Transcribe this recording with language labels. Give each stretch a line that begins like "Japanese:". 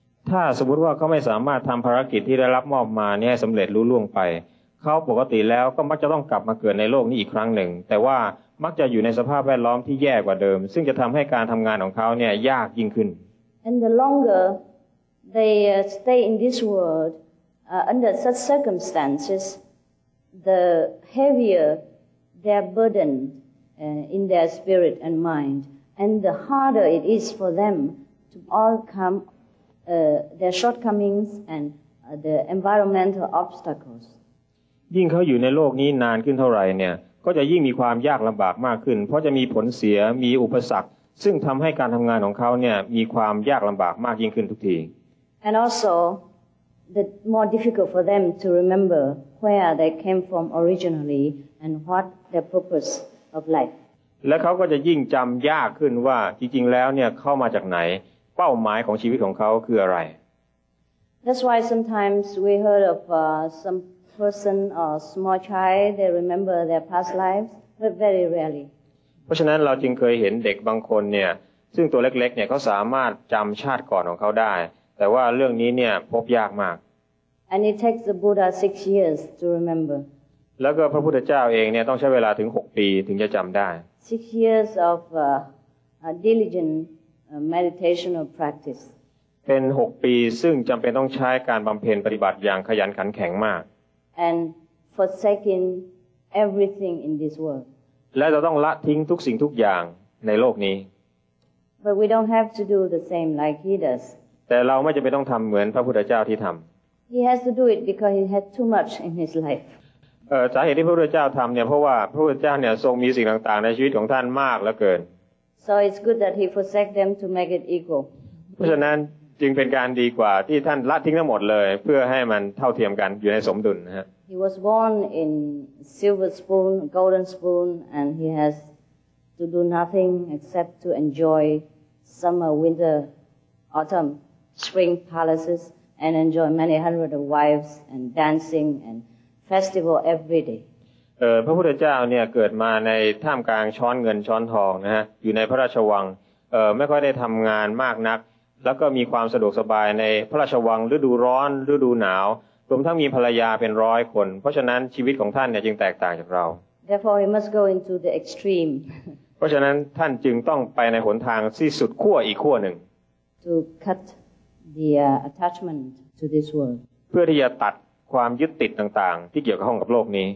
Thai: ถ้าสมมติว่าเขาไม่สามารถทำภารกิจที่ได้รับมอบมาเนี่ยสำเร็จลุล่วงไปเขาปกติแล้วก็มักจะต้องกลับมาเกิดในโลกนี้อีกครั้งหนึ่งแต่ว่ามักจะอยู่ในสภาพแวดล้อมที่แย่กว่าเดิมซึ่งจะทำให้การทำงานของเขาเนี่ยยากยิ่งขึ้น
English: And the longer they stay in this world under such circumstances the heavier their burden in their spirit and mind and the harder it is for them to overcome their shortcomings and the environmental obstacles
Thai: ยิ่งเขาอยู่ในโลกนี้นานขึ้นเท่าไหร่เนี่ยก็จะยิ่งมีความยากลำบากมากขึ้นเพราะจะมีผลเสียมีอุปสรรคซึ่งทำให้การทำงานของเขาเนี่ยมีความยากลำบากมากยิ่งขึ้นทุกที
English: And also the more difficult for them to remember where they came from originally and what their purpose of life
Thai: และเขาก็จะยิ่งจำยากขึ้นว่าจริงๆแล้วเนี่ยเข้ามาจากไหนเป้าหมายของชีวิตของเขาคืออะไร
English: That's why sometimes we heard of someperson or small child they remember their past lives but very rarely
Thai: เพราะฉะนั้นเราจึงเคยเห็นเด็กบางคนเนี่ยซึ่งตัวเล็กๆ เนี่ยเขาสามารถจำชาติก่อนของเขาได้แต่ว่าเรื่องนี้เนี่ยพบยากมาก
English: and it takes the Buddha 6 years to remember
Thai: แล้วก็พระพุทธเจ้าเองเนี่ยต้องใช้เวลาถึง6ปีถึงจะจำได้
English: 6 years of diligent meditation or practice
Thai: เป็น6ปีซึ่งจำเป็นต้องใช้การบำเพ็ญปฏิบัติอย่างขยันขันแข็งมาก
English: And forsaking everything in this world.
Thai: และเราต้องละทิ้งทุกสิ่งทุกอย่างในโลกนี้
English: But we don't have to do the same like he does.
Thai: แต่เราไม่จำเป็นต้องทำเหมือนพระพุทธเจ้าที่ทำ
English: He has to do it because he had too much in his life.
Thai: สาเหตุที่พระพุทธเจ้าทำเนี่ยเพราะว่าพระพุทธเจ้าเนี่ยทรงมีสิ่งต่างๆในชีวิตของท่านมากเหลือเกิน
English: So it's good that he forsake them to make it equal.
Thai: เพราะฉะนั้นจึงเป็นการดีกว่าที่ท่านละทิ้งทั้งหมดเลยเพื่อให้มันเท่าเทียมกันอยู่ในสมดุลนะฮะ
English: He was born in silver spoon, golden spoon, and he has to do nothing except to enjoy summer, winter, autumn, spring palaces, and enjoy many hundreds of wives and dancing and festival every day.
Thai: พระพุทธเจ้าเนี่ยเกิดมาในท่ามกลางช้อนเงินช้อนทองนะฮะอยู่ในพระราชวังไม่ค่อยได้ทำงานมากนักแล้วก็มีความสะดวกสบายในพระราชวังฤดูร้อนฤดูหนาวรวมทั้งมีภรรยาเป็นร้อยคนเพราะฉะนั้นชีวิตของท่านเนี่ยจึงแตกต่างจากเรา
English: Therefore he must go into the extreme
Thai: เพราะฉะนั้นท่านจึงต้องไปในหนทางที่สุดขั้วอีกขั้วหนึ่ง
English: To cut the attachment to this world
Thai: เพื่อที่จะตัดความยึดติดต่างๆที่เกี่ยวข้องกับโลกนี